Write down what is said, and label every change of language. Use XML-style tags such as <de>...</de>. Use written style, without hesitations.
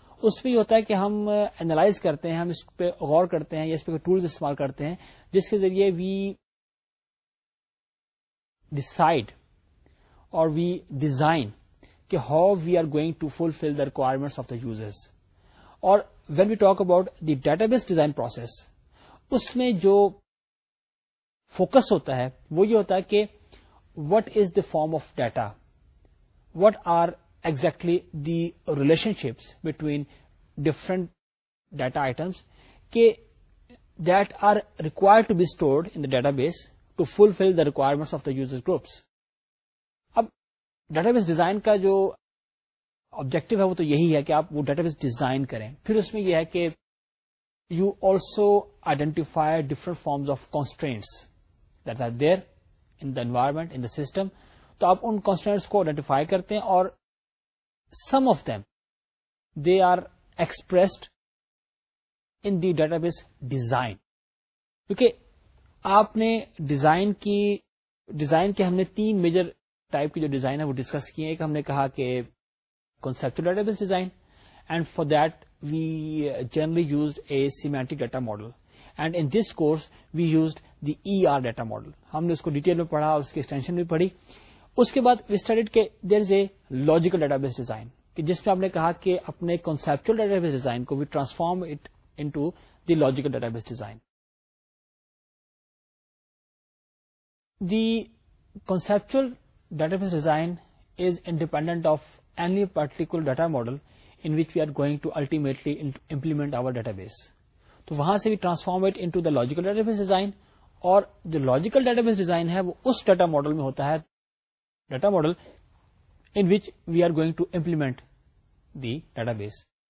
<ur>اس میں یہ ہوتا ہے کہ ہم اینالائز کرتے ہیں, ہم اس پہ غور کرتے ہیں یا اس پہ ٹولز استعمال کرتے ہیں جس کے ذریعے</ur> <en>We decide اور we design کہ how we are going to fulfil the requirements of the users.</en> <ur>اور</ur> <en>when we talk about</en> <ur>the data base design process, اس میں جو فوکس ہوتا ہے وہ یہ ہوتا ہے کہ</ur> <en>what is the form of data, what are exactly the relationships between different data items that are required to be stored in the database to fulfill the requirements of the user groups.</en> <ur>اب data base design کا جو objective ہے وہ تو یہی ہے کہ آپ وہ ڈیٹا بیس ڈیزائن کریں. پھر اس میں یہ ہے کہ</ur> <en>You also identify different forms of constraints that are there in the environment in the system.</en> <ur>تو آپ ان کانسٹرینٹس کو آئیڈینٹیفائی کرتے ہیں اور</ur> <en>Some of them they are expressed in the database design.</en> <ur>کیونکہ آپ نے ڈیزائن کے ہم نے تین میجر ٹائپ کی جو ڈیزائن ہے وہ ڈسکس کی ہے. ایک ہم نے کہا کہ conceptual data base design,</ur> <en>And for that we generally used a semantic data model, and in this course we used the E R data model.</en> <ur>ہم نے اس کو ڈیٹیل میں پڑھا, اس کی ایکسٹینشن بھی پڑھی. اس کے بعد</ur> <en>we studied کہ there is a logical</en> <ur>data base design, جس میں آپ نے کہا کہ اپنے کنسپچل ڈیٹا بیس ڈیزائن کو</ur> <en>we transform it into</en> <ur>the logical data base design.</ur> <en>The conceptual database design is independent of any particular data model in which we are going to ultimately implement our database. So,</en> <ur>وہاں سے</ur> <en>we transform it into the logical database design, اور the logical database design</en> <ur>ہے وہ اس</ur> <en>data model</en> <ur>میں ہوتا ہے,</ur> <en>data model in which we are going to implement the database.</en>